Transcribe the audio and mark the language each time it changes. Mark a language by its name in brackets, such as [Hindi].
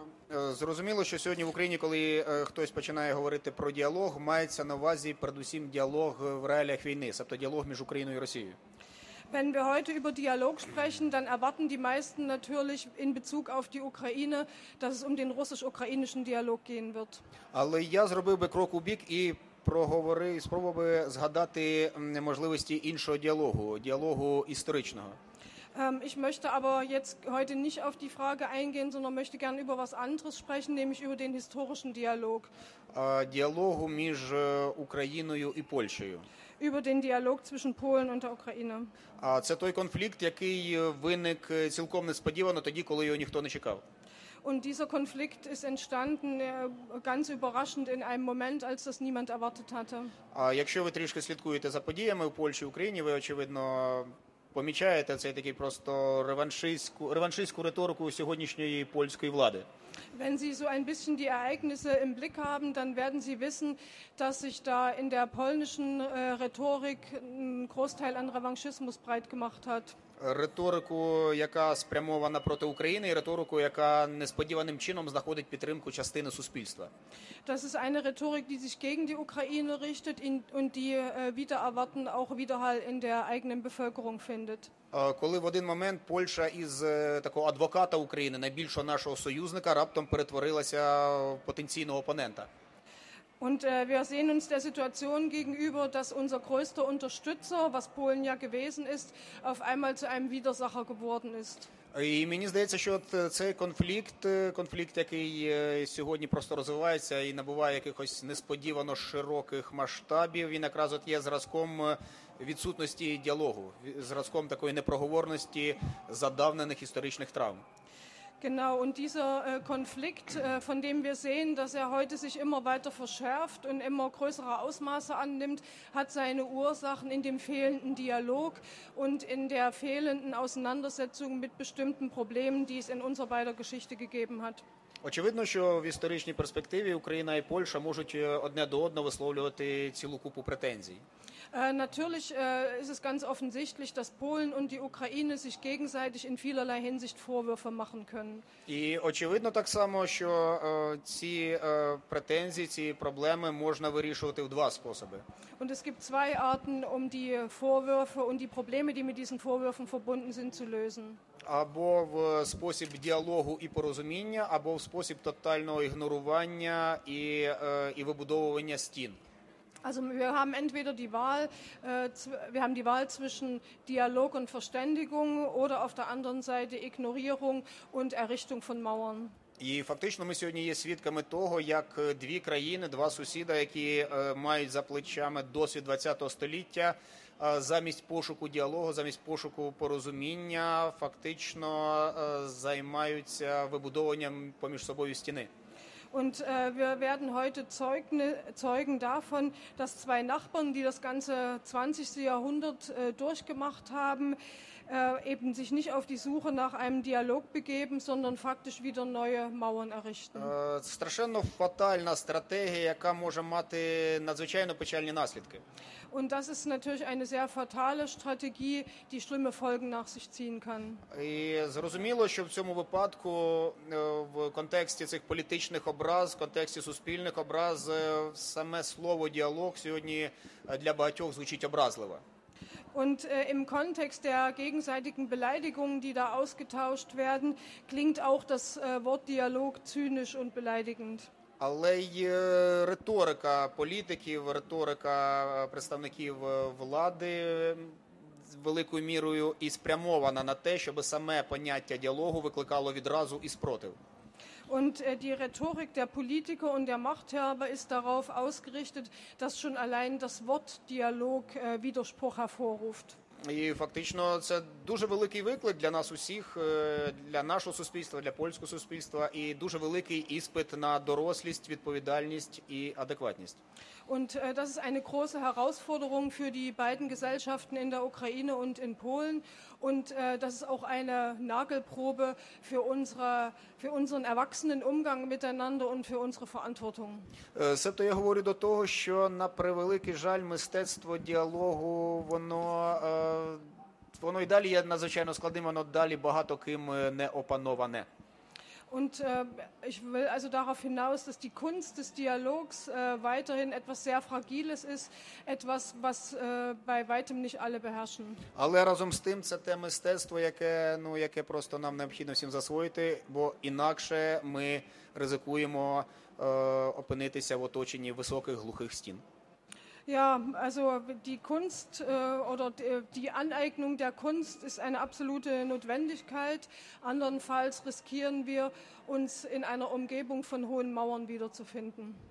[Ukrainian] Зрозуміло, що сьогодні в Україні, коли хтось починає говорити про діалог, мається на увазі передусім діалог в реаліях війни, тобто діалог між Україною і Росією. [German] Wenn wir heute über Dialog sprechen, dann erwarten die meisten natürlich in Bezug auf die Ukraine, dass es um den russisch-ukrainischen Dialog gehen wird. [Ukrainian] Але я зробив би крок у бік і спробував би згадати можливості іншого діалогу, діалогу історичного. [German] Ich möchte aber jetzt heute nicht auf die Frage eingehen, sondern möchte gerne über was anderes sprechen, nämlich über den historischen Dialog. [Ukrainian] Діалогу між Україною і Польщею. [German] Über den Dialog zwischen Polen und der Ukraine. [Ukrainian] Це той конфлікт, який виник цілком несподівано тоді, коли його ніхто не чекав. [German] Und dieser Konflikt ist entstanden ganz überraschend in einem Moment, als das niemand erwartet hatte. [Ukrainian] Якщо ви трішки слідкуєте за подіями у Польщі, Україні, ви очевидно помічаєте, це такий просто реваншистську риторику сьогоднішньої польської влади. [German] Wenn Sie so ein bisschen die Ereignisse im Blick haben, dann werden Sie wissen, dass sich da in der polnischen Rhetorik ein Großteil an Revanchismus breit gemacht hat. [Ukrainian] Риторику, яка спрямована проти України, і риторику, яка несподіваним чином знаходить підтримку частини суспільства. [German] Das ist eine Rhetorik, die sich gegen die Ukraine richtet und die wieder erwarten auch Widerhall in der eigenen Bevölkerung findet. [Ukrainian] Коли в один момент Польща із такого адвоката України, найбільшого нашого союзника, раптом перетворилася в потенційного опонента. [German] Und wir sehen uns der Situation gegenüber, dass unser größter Unterstützer, was Polen ja gewesen ist, auf einmal zu einem Widersacher geworden ist. [Ukrainian] І мені здається, що цей конфлікт, який сьогодні просто розвивається і набуває якихось несподівано широких масштабів, він якраз от є зразком відсутності діалогу, зразком такої непроговорності задавнених історичних травм. [German] Genau, und dieser Konflikt, von dem wir sehen, dass er heute sich immer weiter verschärft und immer größere Ausmaße annimmt, hat seine Ursachen in dem fehlenden Dialog und in der fehlenden Auseinandersetzung mit bestimmten Problemen, die es in unserer beider Geschichte gegeben hat. [Ukrainian] Очевидно, що в історичній перспективі Україна і Польща можуть одне до одного висловлювати цілу купу претензій. [German] Natürlich ist es ganz offensichtlich, dass Polen und die Ukraine sich gegenseitig in vielerlei Hinsicht Vorwürfe machen können. [Ukrainian] І очевидно так само, що ці претензії, ці проблеми можна вирішувати в два способи. [German] Und es gibt zwei Arten, um die Vorwürfe und die Probleme, die mit diesen Vorwürfen verbunden sind, zu lösen. [Ukrainian] Або в спосіб діалогу і порозуміння, або в спосіб тотального ігнорування і вибудовування стін. [German] Also wir haben entweder die Wahl, wir haben die Wahl zwischen Dialog und Verständigung oder auf der anderen Seite Ignorierung und Errichtung von Mauern. [Ukrainian] І фактично ми сьогодні є свідками того, як дві країни, два сусіда, які мають за плечами досвід 20-го століття, замість пошуку діалогу, замість пошуку порозуміння, фактично займаються вибудованням поміж собою стіни. [German] Und wir werden heute Zeugen davon, dass zwei Nachbarn, die das ganze 20. Jahrhundert durchgemacht haben, eben sich nicht auf die Suche nach einem Dialog begeben, sondern faktisch wieder neue Mauern errichten. [Ukrainian] Страшенно фатальна стратегія, яка може мати надзвичайно печальні наслідки. [German] Und das ist natürlich eine sehr fatale Strategie, die schlimme Folgen nach sich ziehen kann. [Ukrainian] І зрозуміло, що в цьому випадку в контексті цих політичних образ, в контексті суспільних образ, саме слово діалог сьогодні для багатьох звучить образливо. [German] Und im Kontext der gegenseitigen Beleidigungen, die da ausgetauscht werden, klingt auch das Wort Dialog zynisch und beleidigend. [Ukrainian] Але й риторика політиків, риторика представників влади великою мірою і спрямована на те, щоб саме поняття діалогу викликало відразу і спротив. [German] Und die Rhetorik der Politiker und der Machthaber ist darauf ausgerichtet, dass schon allein das Wort Dialog Widerspruch hervorruft. [Ukrainian] І фактично це дуже великий виклик для нас усіх, для нашого суспільства, для польського суспільства, і дуже великий іспит на дорослість, відповідальність і адекватність. [German] Und das ist eine große Herausforderung für die beiden Gesellschaften in der Ukraine und in Polen. Und das ist auch eine Nagelprobe für unseren erwachsenen Umgang miteinander und für unsere Verantwortung. [Ukrainian] Себто я говорю до того, що на превеликий жаль мистецтво діалогу, воно і далі є надзвичайно складним, воно далі багато ким не опановане. [German] Und ich will also darauf hinaus, dass die Kunst des Dialogs weiterhin etwas sehr Fragiles ist, etwas, was bei weitem nicht alle beherrschen. [Ukrainian] Але разом з тим, це те мистецтво, яке просто нам необхідно всім засвоїти, бо інакше ми ризикуємо опинитися в оточенні високих глухих стін. [German] Ja, also die Kunst oder die Aneignung der Kunst ist eine absolute Notwendigkeit. Andernfalls riskieren wir, uns in einer Umgebung von hohen Mauern wiederzufinden.